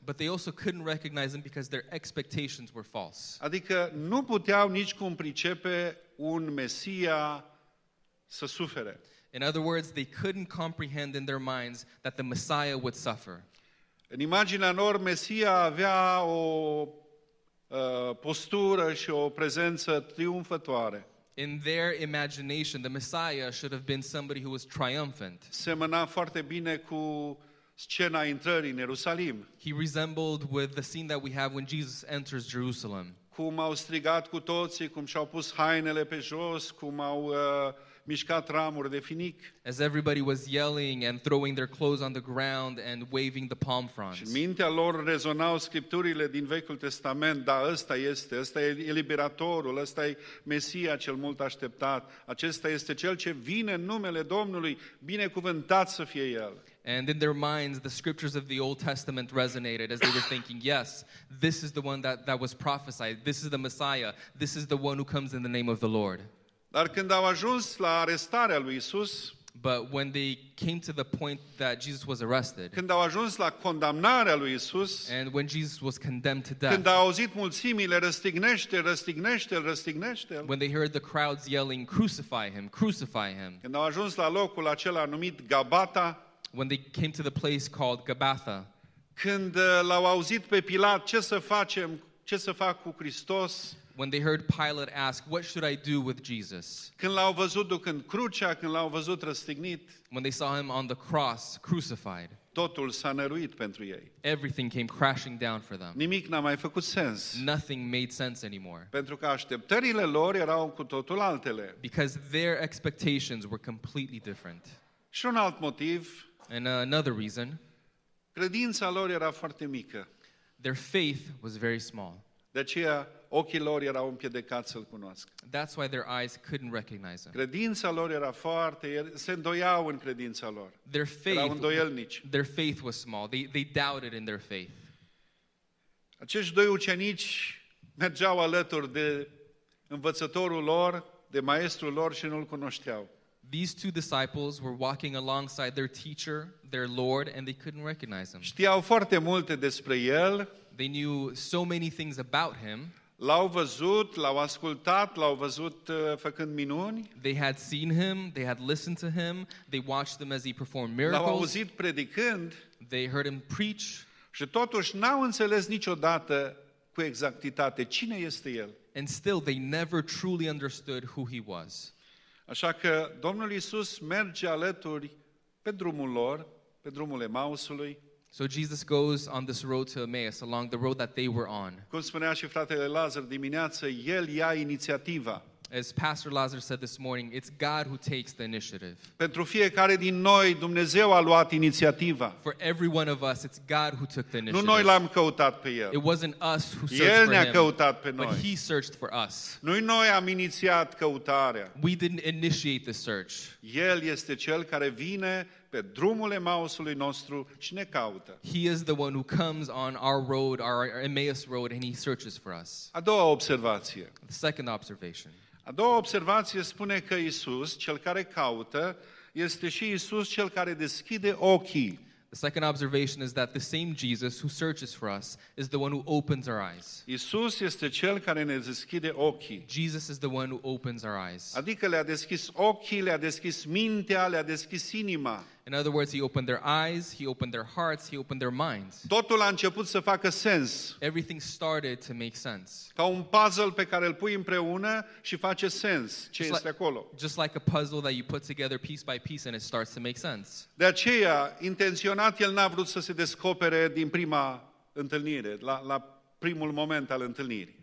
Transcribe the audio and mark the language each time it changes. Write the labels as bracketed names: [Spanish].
[English] But they also couldn't recognize Him because their expectations were false. [Romanian] Adică nu puteau nici cum pricepe un Mesia să sufere. [English] In other words, they couldn't comprehend in their minds that the Messiah would suffer. [Romanian] În imaginea lor, Mesia avea o postură și o prezență triumfătoare. [English] In their imagination, the Messiah should have been somebody who was triumphant. [Romanian] Semăna foarte bine cu scena intrării în Ierusalim. [English] He resembled with the scene that we have when Jesus enters Jerusalem. [Romanian] Cum au strigat cu toții, cum și-au pus hainele pe jos, cum au mișcat ramuri de finic. [English] As everybody was yelling and throwing their clothes on the ground and waving the palm fronds. [Romanian] Și mintea lor rezonau scripturile din Vechiul Testament, da, ăsta e liberatorul, ăsta e Mesia cel mult așteptat, acesta este Cel ce vine în numele Domnului, binecuvântat să fie El. [English] And in their minds, the scriptures of the Old Testament resonated as they were thinking, yes, this is the one that was prophesied. This is the Messiah. This is the one who comes in the name of the Lord. [Romanian] Dar când au ajuns la arestarea lui Isus, [English] but when they came to the point that Jesus was arrested, [Romanian] când au ajuns la condamnarea lui Isus, [English] and when Jesus was condemned to death, [Romanian] când au auzit mulțimile, răstignește-l, răstignește-l, răstignește-l, [English] when they heard the crowds yelling, crucify him, crucify him, [Romanian] când au ajuns la locul acela numit Gabata, [English] when they came to the place called Gabatha, [Romanian] când l-au auzit pe Pilat, ce să facem, ce să fac cu Hristos, [English] when they heard Pilate ask, what should I do with Jesus? [Romanian] Când l-au văzut ducând crucea, când l-au văzut răstignit, [English] when they saw him on the cross, crucified, [Romanian] totul s-a năruit pentru ei. [English] Everything came crashing down for them. [Romanian] Nimic n-a mai făcut sens. [English] Nothing made sense anymore. [Romanian] Pentru că așteptările lor erau cu totul altele. [English] Because their expectations were completely different. [Romanian] Și un alt motiv. [English] And another reason. [Romanian] Credința lor era foarte mică. [English] Their faith was very small. [Romanian] De aceea, ochii lor erau împiedicați să-l cunoască. [English] That's why their eyes couldn't recognize him. [Romanian] Credința lor era foarte, se îndoiau în credința lor. [English] Their faith, [Romanian] erau îndoielnici. [English] Their faith was small. They doubted in their faith. [Romanian] Acești doi ucenici mergeau alături de învățătorul lor, de maestrul lor și nu-l cunoșteau. [English] These two disciples were walking alongside their teacher, their Lord, and they couldn't recognize him. [Romanian] Știau foarte multe despre el. [English] They knew so many things about him. [Romanian] L-au văzut, l-au ascultat, l-au văzut făcând minuni. [English] They had seen him, they had listened to him, they watched him as he performed miracles. [Romanian] L-au auzit predicând. [English] They heard him preach. [Romanian] Și totuși n-au înțeles niciodată cu exactitate cine este el. [English] And still they never truly understood who he was. [Romanian] Așa că Domnul Iisus merge alături pe drumul lor, pe drumul Emausului. [English] So Jesus goes on this road to Emmaus, along the road that they were on. [Romanian] Cum spunea și fratele Lazar dimineață, el ia inițiativa. [English] As Pastor Lazar said this morning, it's God who takes the initiative. [Romanian] Pentru fiecare din noi, Dumnezeu a luat inițiativa. [English] For every one of us, it's God who took the initiative. [Romanian] Nu noi l-am căutat pe el. [English] It wasn't us who searched [Romanian] el [English] for [Romanian] ne-a [English] him. [Romanian] Căutat pe noi. [English] But he searched for us. [Romanian] Noi am inițiat căutarea. [English] We didn't initiate the search. [Romanian] El este cel care vine pe drumul Emausului nostru și ne caută. [English] He is the one who comes on our road, our Emmaus road, and he searches for us. [Romanian] A doua observație. [English] The second observation. [Romanian] A doua observație spune că Iisus, cel care caută, este și Iisus cel care deschide ochii. [English] The second observation is that the same Jesus who searches for us is the one who opens our eyes. [Romanian] Iisus este cel care ne deschide ochii. [English] Jesus is the one who opens our eyes. [Romanian] Adică le-a deschis ochii, le-a deschis mintea, le-a deschis inima. [English] In other words, he opened their eyes, he opened their hearts, he opened their minds. [Romanian] Totul a început să facă sens. [English] Everything started to make sense. [Romanian] Ca un puzzle pe care îl pui împreună și face sens ce [English] just [Romanian] este [English] like, [Romanian] acolo. [English] Just like a puzzle that you put together piece by piece and it starts to make sense. [Romanian] De aceea, intenționat, el n-a vrut să se descopere din prima întâlnire, la primul moment al întâlnirii.